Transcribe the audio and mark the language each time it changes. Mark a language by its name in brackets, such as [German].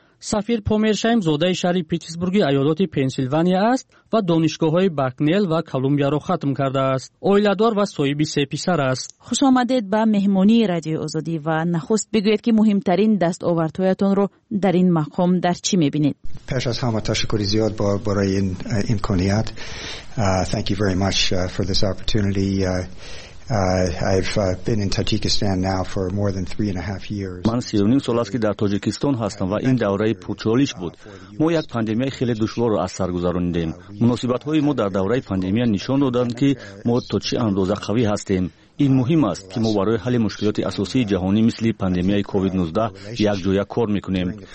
[Persian] سفیر پومرشایم زاده شهر پیتسبورگ ایالات پنسیلوانیا است و دانشگاه های بکنل و کلمبیا را ختم کرده است. اویلادار و صاحب سه پسر است. خوش آمدید به مهمانی رادیو آزادی و نخست بگویید که مهمترین دستاوردهایتان را در این مقام در چی میبینید؟ پیش از همه تشکر زیاد برای این امکانیت. [English] Thank you very much for this opportunity. I've been in Tajikistan now for more than 3.5 years. [Persian] من 3.5 سال است که در تاجیکستان هستم و این دوره پرچالش بود. ما یک پاندمی خیلی دشوار را از سر گذراندیم. مناسبت های ما در دوره پاندمی نشان دادند که ما تا چه اندازه قوی هستیم. این مهم است که ما برای حل مشکلات اساسی جهانی مثل پاندمی کووید 19 یک جایه کار میکنیم.